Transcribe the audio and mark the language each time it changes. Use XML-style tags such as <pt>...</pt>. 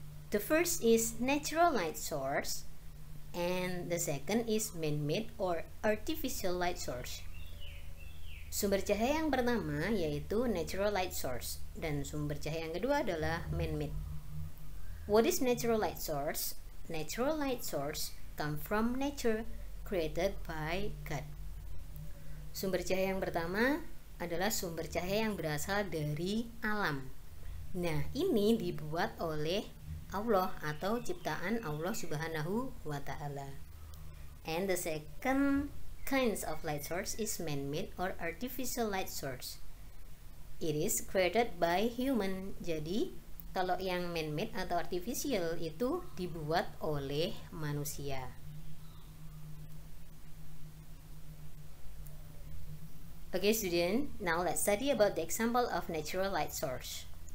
<en>The first is natural light source, and the second is man-made or artificial light source.</en> <id>Sumber cahaya yang pertama yaitu natural light source, dan sumber cahaya yang kedua adalah man-made.</id> <en>What is natural light source? Natural light source come from nature, created by God.</en> <id>Sumber cahaya yang pertama adalah sumber cahaya yang berasal dari alam. Nah, ini dibuat oleh Allah atau ciptaan Allah Subhanahu wa Ta'ala.</id> <en>And the second kinds of light source is man-made or artificial light source. It is created by human.</en> <id>Jadi, kalau yang man-made atau artificial itu dibuat oleh manusia.</id> <en>Okay, student, now let's study about the example of natural light source.</en>